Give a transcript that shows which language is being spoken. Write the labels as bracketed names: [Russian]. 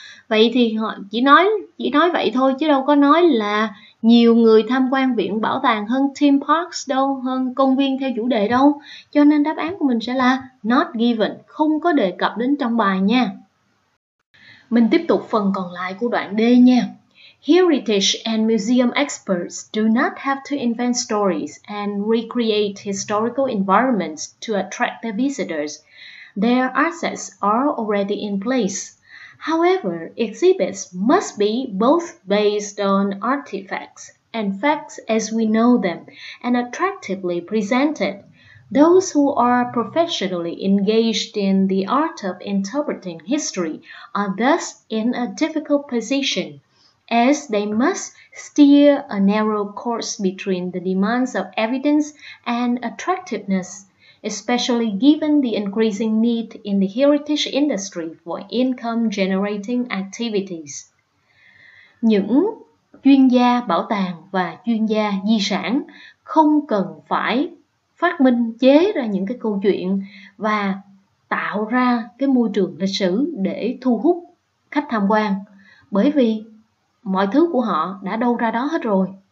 [Vietnamese] Vậy thì họ chỉ nói vậy thôi, chứ đâu có nói là nhiều người tham quan viện bảo tàng hơn theme parks đâu, hơn công viên theo chủ đề đâu. Cho nên đáp án của mình sẽ là not given, không có đề cập đến trong bài nha. Mình tiếp tục phần còn lại của đoạn D nha. [English] Heritage and museum experts do not have to invent stories and recreate historical environments to attract their visitors. Their assets are already in place. However, exhibits must be both based on artifacts and facts as we know them and attractively presented. Those who are professionally engaged in the art of interpreting history are thus in a difficult position, as they must steer a narrow course between the demands of evidence and attractiveness, especially given the increasing need in the heritage industry for income-generating activities. [Vietnamese] Những chuyên gia bảo tàng và chuyên gia di sản không cần phải phát minh chế ra những cái câu chuyện và tạo ra cái môi trường lịch sử để thu hút khách tham quan, bởi vì mọi thứ của họ đã đâu ra đó hết rồi.